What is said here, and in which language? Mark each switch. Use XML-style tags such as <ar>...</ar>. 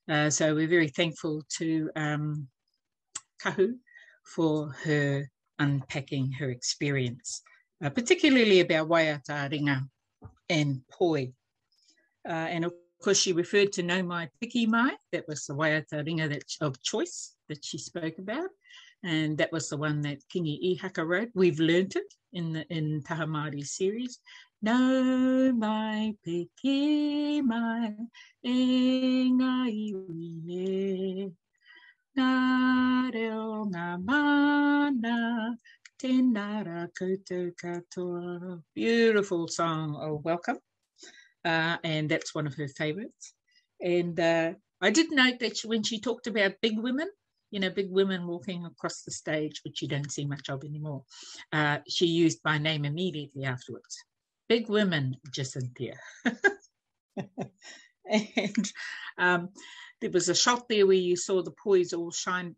<en>So we're very thankful to Kahu for her unpacking her experience, particularly about waiata, ringa and poi. And of course she referred to Nau Mai Piki Mai, that was the waiata ringa that, of choice that she spoke about. And that was the one that Kingi Ihaka wrote. We've learnt it in Taha Māori series.</en> <mi>Nau Mai Piki Mai, e ngā iwi e. Ngā reo ngā mana, tēnā rā koutou katoa.</mi> <en>Beautiful song of welcome. And that's one of her favourites. And I did note that when she talked about big women, you know, big women walking across the stage, which you don't see much of anymore, she used my name immediately afterwards. Big women, Jacynthia. And there was a shot there where you saw the poise all shine.</en>